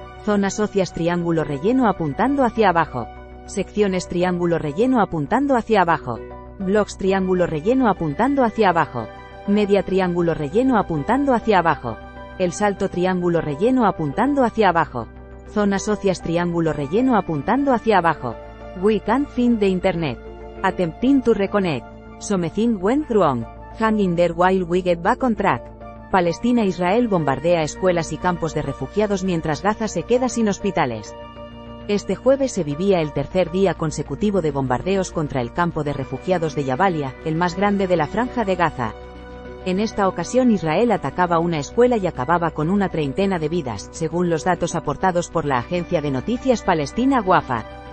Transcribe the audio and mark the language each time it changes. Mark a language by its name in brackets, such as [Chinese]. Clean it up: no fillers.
[Spanish] Zonas socias, triángulo relleno apuntando hacia abajo. Secciones, triángulo relleno apuntando hacia abajo. Blogs, triángulo relleno apuntando hacia abajo. Media, triángulo relleno apuntando hacia abajo. El Salto, triángulo relleno apuntando hacia abajo. Zonas socias, triángulo relleno apuntando hacia abajo. [English] We can't find the internet. Attempting to reconnect. Something went wrong. Hanging there while we get back on track. [Spanish] Palestina, Israel bombardea escuelas y campos de refugiados mientras Gaza se queda sin hospitales. Este jueves se vivía el tercer día consecutivo de bombardeos contra el campo de refugiados de Jabalia, el más grande de la franja de Gaza. En esta ocasión Israel atacaba una escuela y acababa con una treintena de vidas, según los datos aportados por la agencia de noticias palestina Wafa.